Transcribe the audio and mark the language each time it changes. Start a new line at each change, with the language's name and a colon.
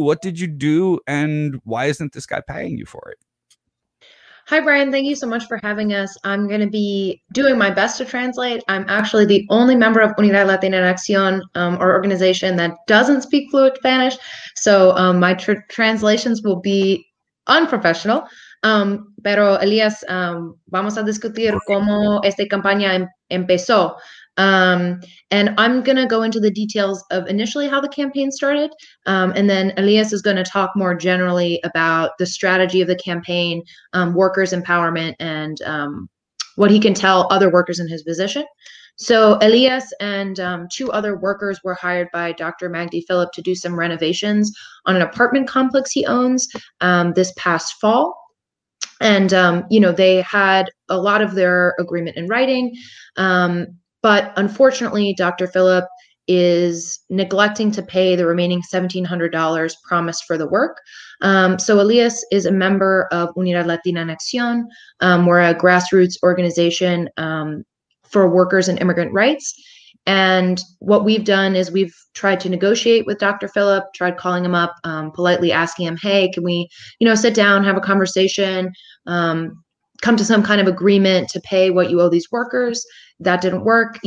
English: What did you do? And why isn't this guy paying you for it? Hi, Brian. Thank you so much for having us. I'm going to be doing my best to translate. I'm actually the only member of Unidad Latina en Acción, our organization, that doesn't speak fluent Spanish. So my translations will be unprofessional.
Spanish: Pero, Elias, vamos a discutir cómo esta campaña empezó.
English: And I'm going to go into the details of initially how the campaign started. And then Elias is going to talk more generally about the strategy of the campaign, workers empowerment, and what he can tell other workers in his position. So Elias and two other workers were hired by Dr. Magdi Philip to do some renovations on an apartment complex he owns this past fall. And, you know, they had a lot of their agreement in writing. But unfortunately, Dr. Philip is neglecting to pay the remaining $1,700 promised for the work. So Elias is a member of Unidad Latina en Acción. We're a grassroots organization for workers and immigrant rights. And what we've done is we've tried to negotiate with Dr. Philip, tried calling him up, politely asking him, hey, can we, you know, sit down, have a conversation, come to some kind of agreement to pay what you owe these workers. That didn't work.